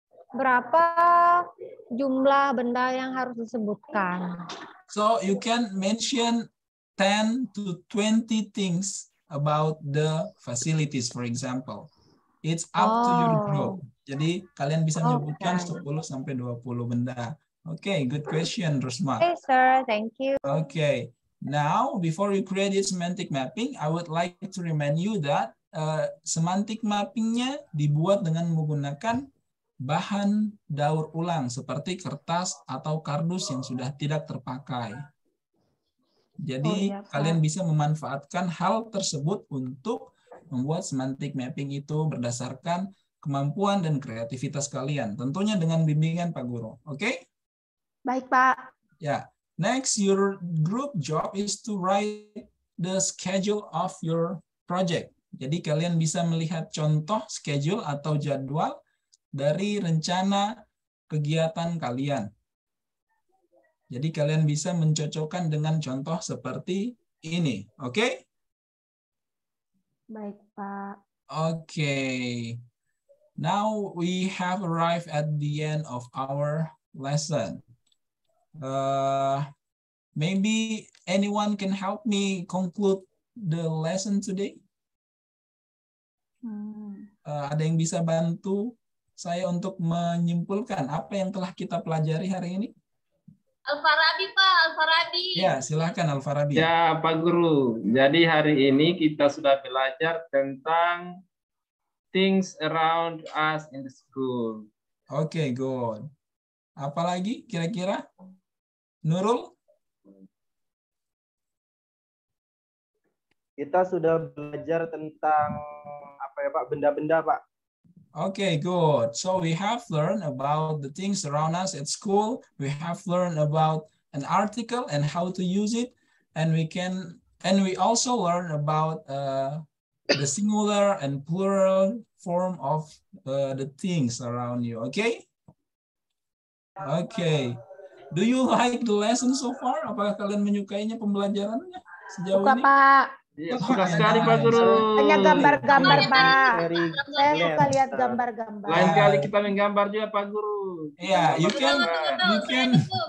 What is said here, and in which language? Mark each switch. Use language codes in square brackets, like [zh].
[id] Berapa jumlah benda yang harus disebutkan? [en] So you can mention 10 to 20 things about the facilities, for example. It's up to your group. [id] Jadi kalian bisa menyebutkan 10 sampai 20 benda. [en] Okay, good question, Rusma. Okay, sir. Thank you. Okay. Now, before you create your semantic mapping, I would like to remind you that [id] semantic mapping-nya dibuat dengan menggunakan bahan daur ulang seperti kertas atau kardus yang sudah tidak terpakai. Jadi, kalian bisa memanfaatkan hal tersebut untuk membuat semantic mapping itu berdasarkan kemampuan dan kreativitas kalian. Tentunya dengan bimbingan Pak Guru. Oke? Okay? Baik, Pak. Ya. [en] Next, your group job is to write the schedule of your project. [id] Jadi kalian bisa melihat contoh schedule atau jadwal dari rencana kegiatan kalian. Jadi kalian bisa mencocokkan dengan contoh seperti ini. Oke? Okay? Baik, Pak. [en] Oke. Okay. Now we have arrived at the end of our lesson. Maybe anyone can help me conclude the lesson today? [id] Ada yang bisa bantu saya untuk menyimpulkan apa yang telah kita pelajari hari ini? Al-Farabi, Pak. Al-Farabi. Ya, silakan Al-Farabi. Ya, Pak Guru. Jadi hari ini kita sudah belajar tentang [en] things around us in the school. Okay, good. [id] Apalagi kira-kira? Nurul? kita sudah belajar tentang apa ya Pak, benda-benda Pak. [en] Okay, good. So we have learned about the things around us at school. We have learned about an article and how to use it, and we can and we also learn about the singular and plural form of the things around you. Okay. Okay. Do you like the lesson so far? [id] Apakah kalian menyukainya pembelajarannya sejauh suka, ini? Pak. Suka sekali Pak Guru. Banyak gambar-gambar Pak. Saya suka lihat gambar-gambar. Lain kali kita menggambar juga Pak Guru. [en] Iya, yeah, you can